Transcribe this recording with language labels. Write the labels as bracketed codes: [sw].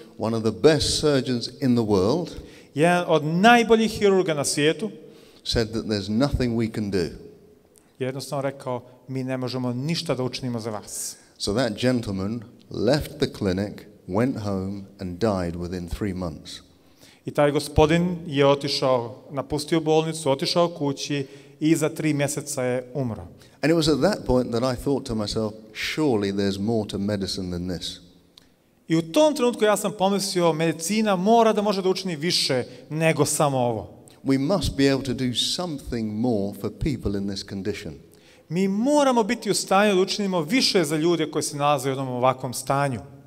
[en] One of the best surgeons in the world. [bs] Jedan od najboljih hirurga na svijetu. [en] Said that there's nothing we can do. [bs] Jednostavno rekao, mi ne možemo ništa da učinimo za vas. [en] So that gentleman left the clinic, went home and died within 3 months. [bs] I taj gospodin je otišao, napustio bolnicu, otišao kući i za 3 mjeseca je umro. [en] And it was at that point that I thought to myself, surely there's more to medicine than this. [bs] I u tom trenutku ja sam pomislio, medicina mora da može da učini više nego samo ovo. [en] We must be able to do something more for people in this condition. [bs] Mi moramo biti u stanju da učinimo više za ljude koji se nalaze u ovakvom stanju.